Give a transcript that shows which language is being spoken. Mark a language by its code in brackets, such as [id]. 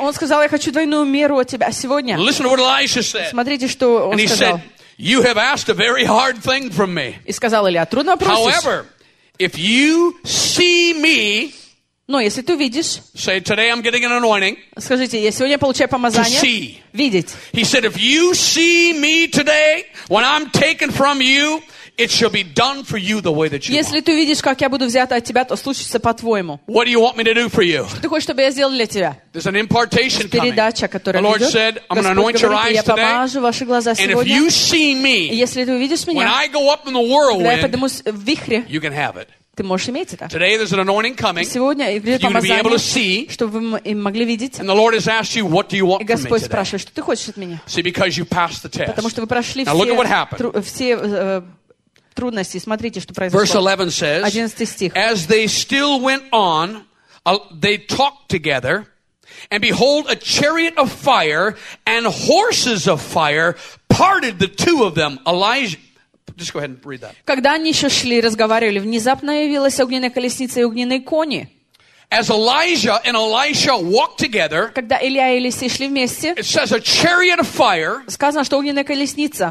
[ru] он сказал, я хочу двойную меру от тебя сегодня. [en] Listen to what Elijah said. [ru] Смотрите, что он сказал. [en] You have asked a very hard thing from me. [ru] И сказал Илья, трудно просить. [en] However, if you see me, [ru] но если ты видишь, [en] say, today I'm getting an anointing, [ru] скажите, я сегодня получаю помазание, видеть. [en] He said, if you see me today, when I'm taken from you, it shall be done for you the way that you [ru] если [en] want. [ru] Ты видишь, как я буду взята от тебя, то случится по-твоему. [en] What do you want me to do for you? [ru] Что ты хочешь, чтобы я сделал для тебя? [en] There's an impartation [ru] передача, [en] coming. The Lord said, I'm going to anoint your eyes today, and if you see me, [ru] если ты увидишь меня, [en] when I go up in the whirlwind, [ru] когда я поднимусь в вихре, [en] you can have it. [ru] Ты можешь иметь это. [en] Today there's an anointing coming. [ru] Сегодня идет помазание, чтобы вы могли видеть. [en] And the Lord has asked you, what do you want from me today? [ru] И Господь спрашивает, что ты хочешь от меня? [en] See, because you passed the test. [ru] Потому что вы прошли все. [en] Now look at what happened. [ru] Все трудности. Смотрите, что произошло. [en] Verse 11 says. [ru] 11 стих. [en] As they still went on, they talked together, and behold, a chariot of fire and horses of fire parted the two of them. Elijah. Just go ahead and read that. [ru] Когда они еще шли, разговаривали, внезапно явилась огненная колесница и огненные кони. [en] As Elijah and Elisha walked together, [ru] когда Илья и Елисей шли вместе, [en] it says a chariot of fire, [ru] сказано, что огненная колесница,